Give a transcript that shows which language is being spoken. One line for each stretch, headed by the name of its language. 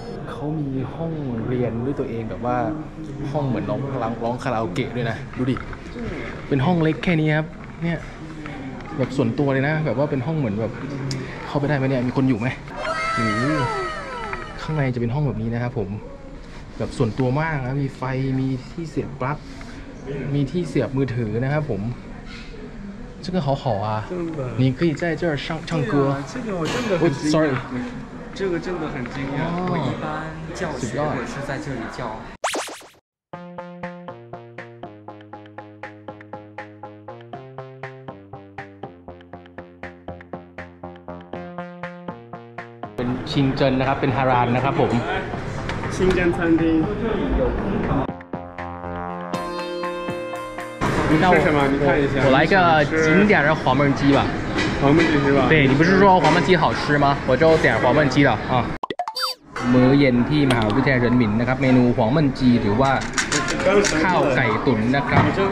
Thai: เขามีห้องเรียนด้วยตัวเองแบบว่าห้องเหมือนน้องพลังร้องคาราโอเกะด้วยนะดูดิเป็นห้องเล็กแค่นี้ครับเนี่ยแบบส่วนตัวเลยนะแบบว่าเป็นห้องเหมือนแบบเข้าไปได้มั้ยเนี่ยมีคนอยู่มั้ยหือข้างในจะเป็นห้องแบบนี้นะครับผมแบบส่วนตัวมากนะมีไฟมีที่เสียบปลั๊กมีที่เสียบมือถือนะครับผมชื่อก็
Chinese: 好好啊你可以在这儿唱唱歌这个我真的很惊讶
English: sorry
Chinese: 这个真的很惊讶我一般教学我是在这里教
Thai: เป็นชิงเจินนะครับเป็นฮารานนะครับผม ชิงเจินซันดี
Chinese: 你看我什么？你看一下。我来一个景点的黄焖鸡吧。黄焖鸡是吧？对，你不是说黄焖鸡好吃吗？我就点黄焖鸡了啊。
Thai: มื้อเย็นที่มหาวิทยาลัยเฉินหมินนะครับเมนูหวงมันจีหรือว่าข้าวไก่ตุ๋นนะครับ